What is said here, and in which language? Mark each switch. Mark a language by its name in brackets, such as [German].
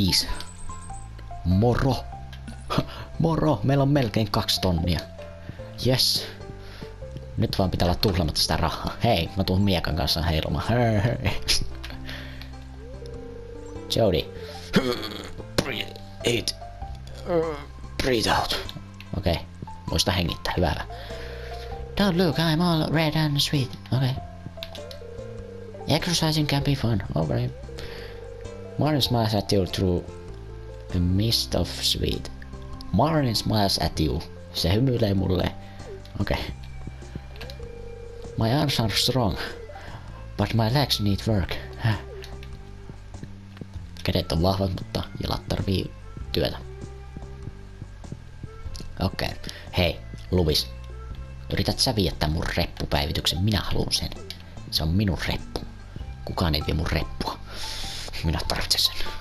[Finnish] 665. Moro. Moro, meillä on melkein 2 tonnia. Yes. Nyt vaan pitää olla tuhlamatta sitä rahaa. Hei, mä tuun miekan kanssa heilumaan. Jody. [English] Breathe out. [Finnish] Okei, muista hengittää, hyvä. [English] Don't look, I'm all red and sweet. Okei. Okay. Exercising can be fun. Okay. Marlin smiles at you through a mist of sweet. [Finnish] Marlin [English] smiles at you. [Finnish] Se hymyilee mulle. Okei. [English] Okay. My arms are strong, but my legs need work. [Finnish] Kädet on vahvat, mutta jalat tarvii työtä. Okei. Okay. Hei, Louis. Yrität sä viettää mun reppupäivityksen? Minä haluun sen. Se on minun reppu. Kukaan ei vie mun reppua. Minä tarvitsen sen.